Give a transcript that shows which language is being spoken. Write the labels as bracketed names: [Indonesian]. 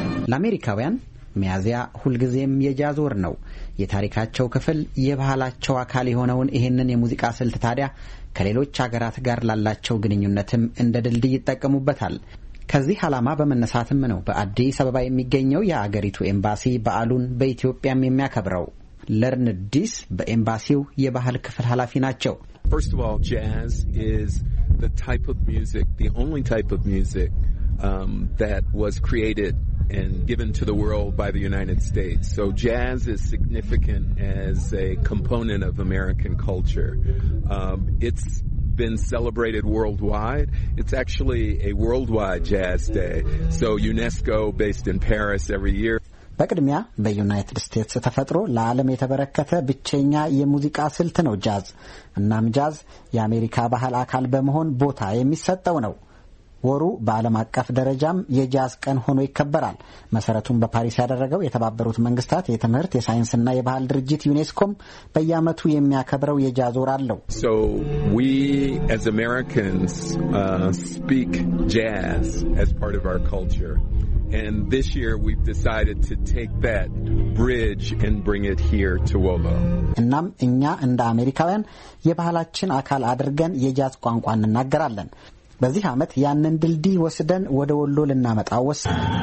[Amharic] ለአሜሪካውያን ሚያዝያ ሁልጊዜም የጃዝ ወር ነው። የታሪካቸው ክፍል የባህላቸው አካል የሆነውን ይሄንን የሙዚቃ ስልት ታዲያ ከሌሎች ሀገራት ጋር ላላቸው ግንኙነትም እንደ ድልድይ ይጠቀሙበታል። ከዚህ አላማ በመነሳትም ነው በአዲስ አበባ የሚገኘው የአገሪቱ ኤምባሲ በዓሉን በኢትዮጵያም የሚያከብረው። ለርንድ ዲስ በኤምባሲው የባህል ክፍል ኃላፊ ናቸው። [English] First of all, jazz is the type of music, the only type of music that was created and given to the world by the United States. So jazz is significant as a component of American culture. It's been celebrated worldwide. It's actually a worldwide jazz day. So UNESCO, based in Paris, every year. [Amharic] በቅድሚያ በዩናይትድ ስቴትስ ተፈጥሮ ለዓለም የተበረከተ ብቸኛ የሙዚቃ ስልት ነው ጃዝ። እናም ጃዝ የአሜሪካ ባህል አካል በመሆን ቦታ የሚሰጠው ነው። ወሩ በዓለም አቀፍ ደረጃም የጃዝ ቀን ሆኖ ይከበራል። መሰረቱን በፓሪስ ያደረገው የተባበሩት መንግስታት የትምህርት የሳይንስና የባህል ድርጅት ዩኔስኮም በየአመቱ የሚያከብረው የጃዝ ወር አለው። [English] So we as Americans speak jazz as part of our culture. And this year we've decided to take that bridge and bring it here to Wolo. [Amharic] እናም እኛ እንደ አሜሪካውያን የባህላችን አካል አድርገን የጃዝ ቋንቋን እናገራለን። በዚህ አመት ያንን ድልዲ ወስደን ወደ ወሎ ልናመጣው ወሰን።